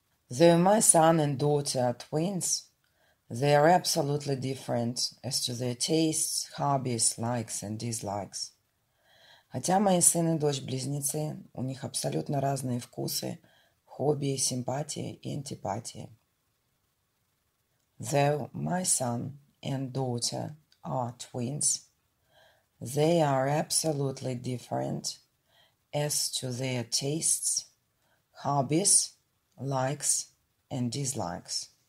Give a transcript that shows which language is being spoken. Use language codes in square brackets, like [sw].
[en] Though my son and daughter are twins, they are absolutely different as to their tastes, hobbies, likes and dislikes. [ru] Хотя мои сын и дочь близнецы, у них абсолютно разные вкусы, хобби, симпатии и антипатии. [en] Though my son and daughter are twins, they are absolutely different as to their tastes, hobbies, likes and dislikes.